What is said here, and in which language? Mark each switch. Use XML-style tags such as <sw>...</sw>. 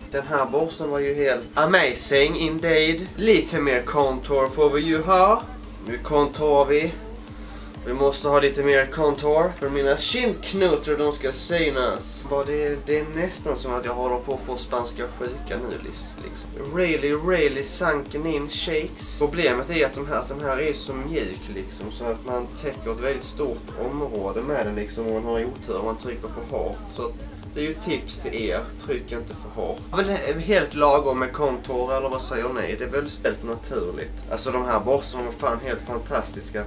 <sv>den här borsten var ju helt</sv> <en>amazing indeed.</en> <sv>Lite mer contour får vi ju ha. Nu contourar vi. Vi måste ha lite mer contour för mina kindknutor, de ska synas. Det är nästan som att jag håller på att få spanska sjuka nu liksom.</sv> <en>Really, really sunken in cheeks.</en> <sv>Problemet är att den här är så mjuk liksom, så att man täcker ett väldigt stort område med den liksom, och man har otur om man trycker för hårt. Så det är ju tips till er, tryck inte för hårt. Men det är helt lagom med kontor, eller vad säger ni? Det är väl helt naturligt. Alltså de här borstarna var fan helt fantastiska.</sv>